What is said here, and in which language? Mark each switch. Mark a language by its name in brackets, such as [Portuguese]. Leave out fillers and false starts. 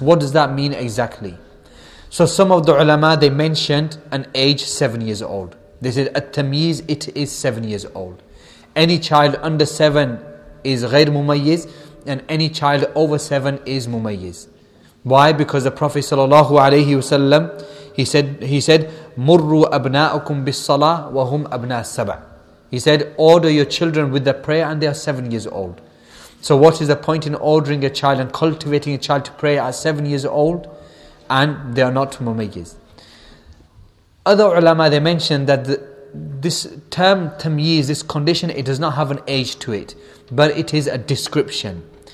[English] What does that mean exactly? So some of the ulama, they mentioned an age 7 years old. They said, at-tamyiz, it is 7 years old. Any child under 7 is غير mumayyiz, and any child over 7 is mumayyiz. Why? Because the Prophet ﷺ, he said, [Arabic] مروا أبناءكم بالصلاة وهم أبناء السبع. [English] He said, order your children with the prayer and they are 7 years old. So what is the point in ordering a child and cultivating a child to pray at 7 years old and they are not mumayyiz? Other ulama, they mentioned that this term tamyiz, this condition, it does not have an age to it, but it is a description.